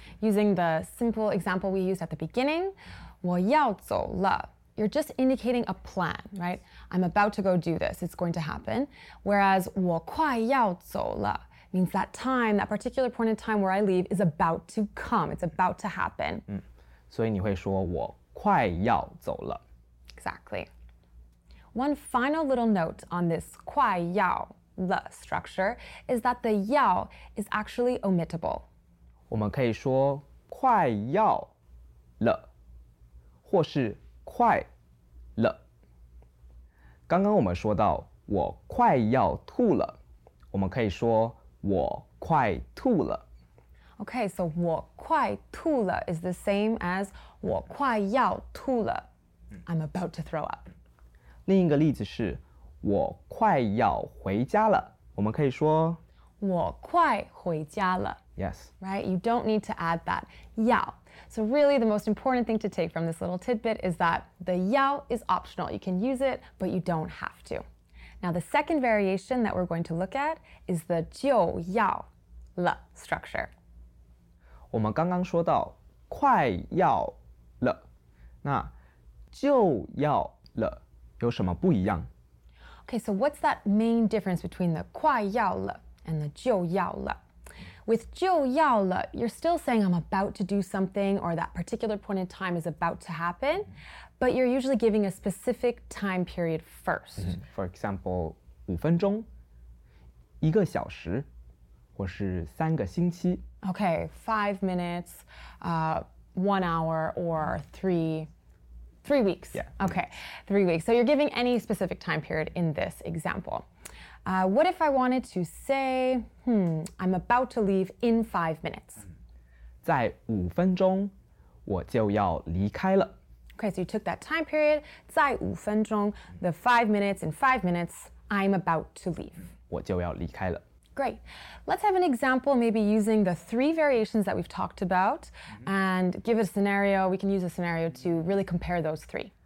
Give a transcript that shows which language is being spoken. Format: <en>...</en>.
<en>Using the simple example we used at the beginning,</en> <zh>我要走了。</zh> <en>You're just indicating a plan, right? I'm about to go do this, it's going to happen. Whereas</en> <zh>我快要走了</zh> <en>means that time, that particular point in time where I leave is about to come, it's about to happen.</en> <zh>所以你会说我快要走了。</zh> <en>Exactly. One final little note on this 快要了 structure is that the 要 is actually omittable.</en> <zh>我们可以说快要了或是快了。刚刚我们说到我快要吐了，我们可以说我快吐了。</zh> <en>Okay, so</en> <zh>我快吐了</zh> <en>is the same as</en> <zh>我快要吐了。</zh> <en>I'm about to throw up.</en> <zh>另一个例子是我快要回家了，我们可以说我快回家了。</zh> <en>Yes. Right? You don't need to add that 要。 So really, the most important thing to take from this little tidbit is that the 要 is optional. You can use it, but you don't have to. Now, the second variation that we're going to look at is the 就要了 structure.</en> <zh>我们刚刚说到快要了，那就要了有什么不一样？</zh> <en>Okay, so what's that main difference between the 快要了 and the 就要了？ With 就要了, you're still saying I'm about to do something or that particular point in time is about to happen, but you're usually giving a specific time period first. For example,</en> <zh>五分钟,一个小时,或是三个星期。</zh> <en>Okay, 5 minutes, 1 hour, or three weeks. Yeah, okay, 3 weeks. So you're giving any specific time period in this example. What if I wanted to say, I'm about to leave in 5 minutes?</en> <zh>在五分钟我就要离开了。</zh> <en>Okay, so you took that time period,</en> <zh>在五分钟,</zh> <en>the 5 minutes, in 5 minutes, I'm about to leave.</en> <zh>我就要离开了。</zh> <en>Great. Let's have an example, maybe using the three variations that we've talked about, and give a scenario, we can use a scenario to really compare those three.</en>